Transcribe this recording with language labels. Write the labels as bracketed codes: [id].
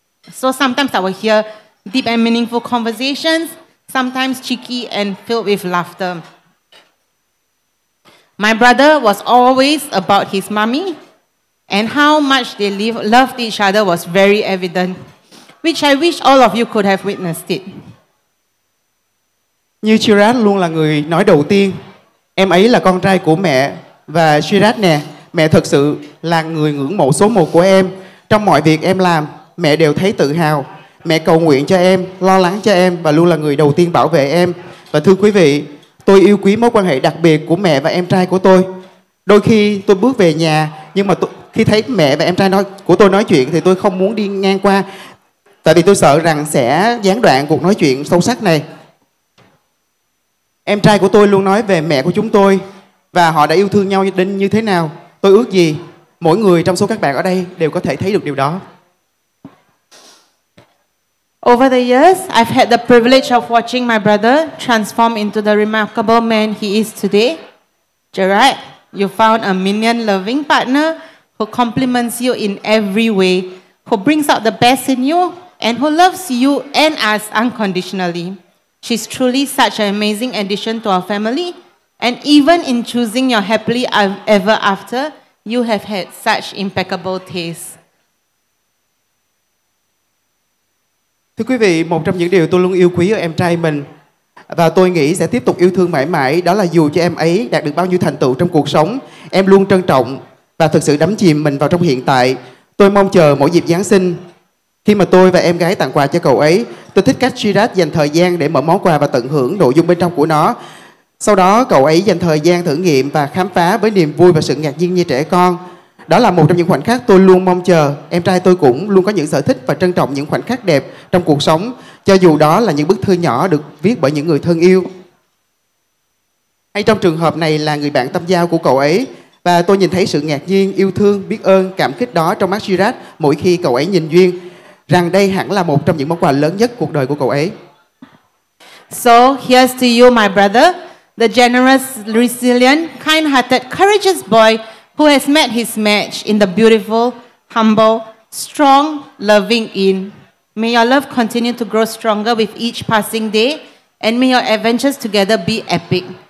[en] So sometimes I will hear deep and meaningful conversations, sometimes cheeky and filled with laughter. My brother was always about his mommy, and how much they loved each other was very evident, which I wish all of you could have witnessed it. [vi] Như Shiraz luôn là người nói đầu tiên, em ấy là con trai của mẹ, và Shiraz nè, mẹ thật sự là người ngưỡng mộ số một của em. Trong mọi việc em làm, mẹ đều thấy tự hào. Mẹ cầu nguyện cho em, lo lắng cho em, và luôn là người đầu tiên bảo vệ em. Và thưa quý vị, tôi yêu quý mối quan hệ đặc biệt của mẹ và em trai của tôi. Đôi khi tôi bước về nhà, nhưng mà khi thấy mẹ và em trai của tôi nói chuyện thì tôi không muốn đi ngang qua, tại vì tôi sợ rằng sẽ gián đoạn cuộc nói chuyện sâu sắc này. Em trai của tôi luôn nói về mẹ của chúng tôi và họ đã yêu thương nhau đến như thế nào. Tôi ước gì mỗi người trong số các bạn ở đây đều có thể thấy được điều đó. [en] Over the years, I've had the privilege of watching my brother transform into the remarkable man he is today. Gerard, you found a minion loving partner who compliments you in every way, who brings out the best in you, and who loves you and us unconditionally. She's truly such an amazing addition to our family. And even in choosing your happily ever after, you have had such impeccable taste. [vi] Thưa quý vị, một trong những điều tôi luôn yêu quý ở em trai mình và tôi nghĩ sẽ tiếp tục yêu thương mãi mãi, đó là dù cho em ấy đạt được bao nhiêu thành tựu trong cuộc sống, em luôn trân trọng và thực sự đắm chìm mình vào trong hiện tại. Tôi mong chờ mỗi dịp Giáng sinh khi mà tôi và em gái tặng quà cho cậu ấy. Tôi thích cách Shiraz dành thời gian để mở món quà và tận hưởng nội dung bên trong của nó. Sau đó, cậu ấy dành thời gian thử nghiệm và khám phá với niềm vui và sự ngạc nhiên như trẻ con. Đó là một trong những khoảnh khắc tôi luôn mong chờ. Em trai tôi cũng luôn có những sở thích và trân trọng những khoảnh khắc đẹp trong cuộc sống, cho dù đó là những bức thư nhỏ được viết bởi những người thân yêu, hay trong trường hợp này là người bạn tâm giao của cậu ấy. Và tôi nhìn thấy sự ngạc nhiên, yêu thương, biết ơn, cảm kích đó trong mắt Shiraz mỗi khi cậu ấy nhìn Duyên, rằng đây hẳn là một trong những món quà lớn nhất cuộc đời của cậu ấy. [en] So here's to you, my brother, the generous, resilient, kind-hearted, courageous boy who has met his match in the beautiful, humble, strong, loving Ian. May your love continue to grow stronger with each passing day, and may your adventures together be epic.